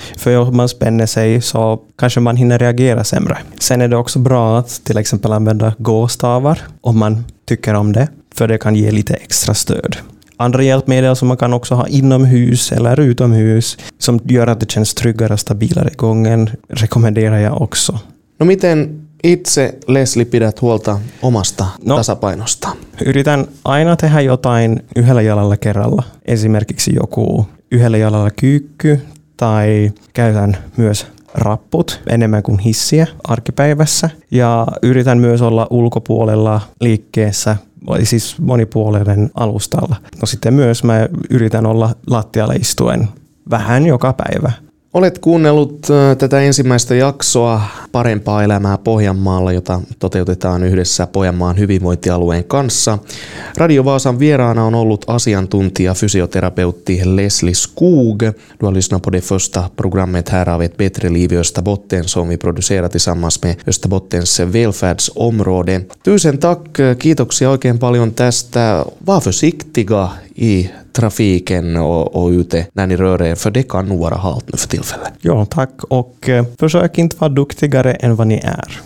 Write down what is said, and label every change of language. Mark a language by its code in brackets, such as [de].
[sv] För om man spänner sig så kanske man hinner reagera sämre. Sen är det också bra att till exempel använda gåstavar om man tycker om det, för det kan ge lite extra stöd. Andra hjälpmedel som man kan också ha inomhus eller utomhus som gör att det känns tryggare och stabilare i gången rekommenderar jag också. [fi] No miten itse, Leslie, pidät huolta omasta tasapainosta? Yritän aina tehdä jotain yhdellä jalalla kerralla. Esimerkiksi joku yhdellä jalalla kyykky tai käytän myös rapput enemmän kuin hissiä arkipäivässä. Ja yritän myös olla ulkopuolella liikkeessä, siis monipuolinen alustalla. No sitten myös mä yritän olla lattialla istuen vähän joka päivä. Olet kuunnellut tätä ensimmäistä jaksoa Parempaa elämää Pohjanmaalla, jota toteutetaan yhdessä Pohjanmaan hyvinvointialueen kanssa. Radio Vaasan vieraana on ollut asiantuntija, fysioterapeutti Leslie Skog. [sv] Du har lyssnat på det första programmet här av ett bättre liv i Österbotten som vi producerar tillsammans med Österbottens välfärdsområde. Tusen tack, [fi] kiitoksia oikein paljon tästä. [sv] Var försiktiga i trafiken och ute när ni rör er, för det kan nog vara halt nu för tillfället. Ja, tack, och försök inte vara duktigare än vad ni är.